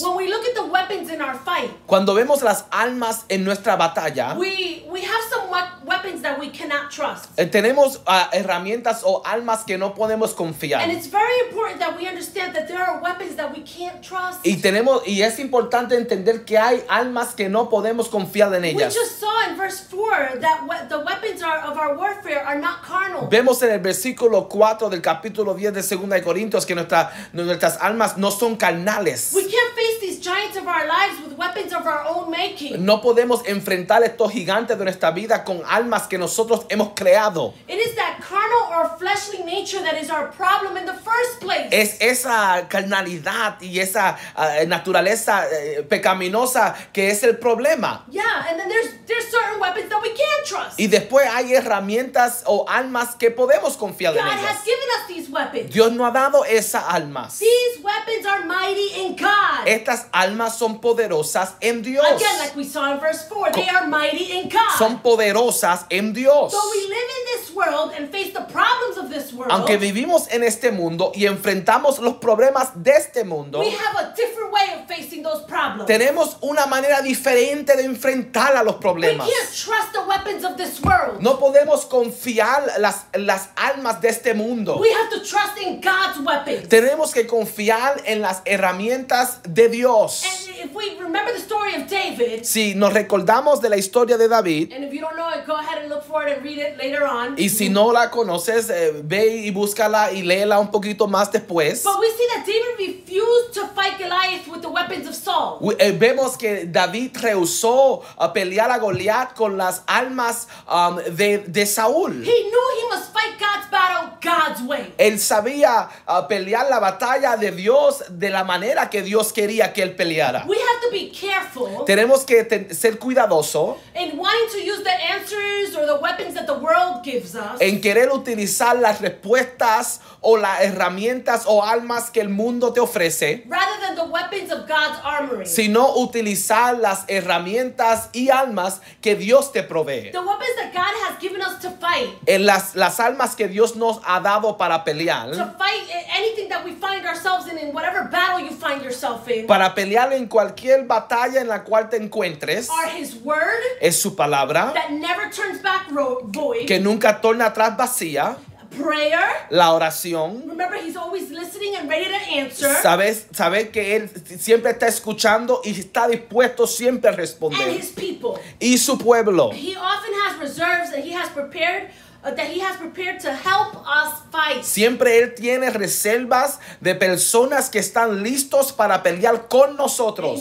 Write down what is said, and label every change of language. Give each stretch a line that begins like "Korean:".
English: When we look at the weapons in our fight.
Spanish: Cuando vemos las armas en nuestra batalla.
English: We have some weapons that we cannot trust.
Spanish: Tenemos herramientas o armas que no podemos confiar.
English: And it's very important that we understand that there are weapons that we can't trust.
Spanish: Y tenemos, y es importante entender que hay armas que no podemos confiar en ellas.
English: We just saw in verse 4 that the weapons are of our warfare are not carnal.
Spanish: Vemos en el versículo 4 del capítulo 10 de 2 Corintios que nuestras armas no son carnales.
English: We can't face these giants of our lives with weapons of our own making.
Spanish: No podemos enfrentar estos gigantes de nuestra vida con armas que nosotros hemos creado.
English: It is that carnal or fleshly nature that is our problem in the first place.
Spanish: Es esa carnalidad y esa naturaleza pecaminosa que es el problema.
English: Yeah, and then there's certain certain weapons that we can trust.
Spanish: Y después hay herramientas o armas que podemos confiar
English: God
Spanish: en ellas.
English: God has given us these weapons.
Spanish: Dios nos ha dado esas armas.
English: These weapons are mighty in God.
Spanish: Estas armas son poderosas en Dios.
English: Again, like we saw in verse 4, they are mighty in God.
Spanish: Son poderosas en Dios.
English: So we live in this world and face the problems of this world.
Spanish: Aunque vivimos en este mundo y enfrentamos los problemas de este mundo,
English: we have a different way of facing those problems.
Spanish: Tenemos una manera diferente de enfrentar a los problemas.
English: We can't trust the weapons of this world.
Spanish: No podemos confiar las armas de este mundo.
English: We have to trust in God's weapons.
Spanish: Tenemos que confiar en las herramientas de Dios.
English: And if we remember the story of David,
Spanish: si nos recordamos de la historia de David,
English: and if you don't know it, go ahead and look for it and read it later on.
Spanish: Y si no la conoces, ve y búscala y léela un poquito más después.
English: But we see that David refused to fight Goliath with the weapons of Saul.
Spanish: Vemos que David rehusó a pelear a Goliat con las armas de Saúl.
English: He knew he must fight God's battle God's way.
Spanish: Él sabía pelear la batalla de Dios de la manera que Dios quería que él peleara.
English: We have to be careful.
Spanish: Tenemos que ser cuidadoso.
English: In wanting to use the answers or the weapons that the world gives us.
Spanish: En querer utilizar las respuestas o las herramientas o armas que el mundo te ofrece.
English: Rather than the weapons of God's armory.
Spanish: Sino utilizar las herramientas y armas que Dios te provee.
English: The weapons that God has given us to fight.
Spanish: En las armas que Dios nos ha dado para pelear.
English: To fight anything that we find ourselves in whatever battle you find yourself in.
Spanish: Para pelear en cualquier batalla en la cual te encuentres.
English: Are his word.
Spanish: Es su palabra.
English: That never turns back void.
Spanish: Que nunca torna atrás vacía.
English: Prayer.
Spanish: La oración.
English: Remember, he's always listening and ready to answer.
Spanish: Sabes que él siempre está escuchando y está dispuesto siempre a responder.
English: And his people.
Spanish: Y su pueblo.
English: He often has reserves that he has prepared. That he has prepared to help us fight.
Spanish: Siempre él tiene reservas de personas que están listos para pelear con nosotros.